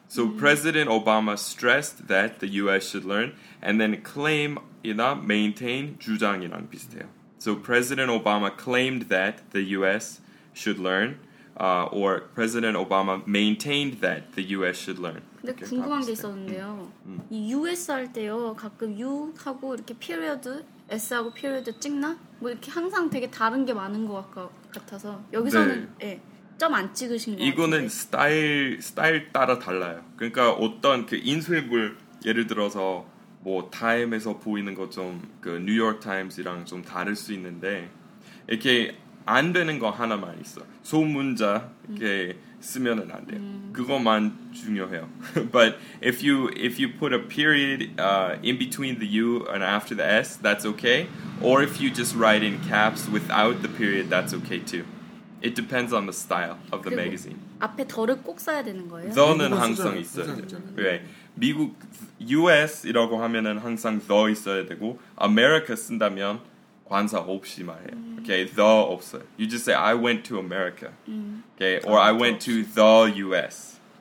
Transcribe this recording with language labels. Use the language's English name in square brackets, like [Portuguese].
[English] So President Obama stressed that the U.S. should learn, and then claim이나 maintain [Korean] 주장이랑 비슷해요. [English] So President Obama claimed that the U.S. should learn, or President Obama maintained that the U.S. should learn. [Korean] 근데 궁금한 게 있었는데요. 이 U.S. 할 때요, 가끔 U 하고 이렇게 period, S 하고 period 찍나? 뭐 이렇게 항상 되게 다른 게 많은 것 같아서 여기서는 네. 예. 점 안 찍으신 거 이거는 스타일 따라 달라요. 그러니까 어떤 그 인쇄물 예를 들어서 뭐 타임에서 보이는 것 좀 그 뉴욕 타임즈랑 좀 다를 수 있는데 이렇게 안 되는 거 하나만 있어. 소문자 이렇게 쓰면은 안 돼요. 그것만 중요해요. [English] But if you put a period in between the U and after the S, that's okay. Or if you just write in caps without the period, that's okay too. It depends on the style of the magazine. [Korean] 앞에 더를 꼭 써야 되는 거예요? 더는 항상 있어야 돼요. [English] Right. [Korean] 미국, US이라고 하면 항상 더 있어야 되고 America 쓴다면 관사 없이 말해요. [English] Okay, [Korean] 더 없어요. [English] You just say, I went to America. Okay, or I went to the US.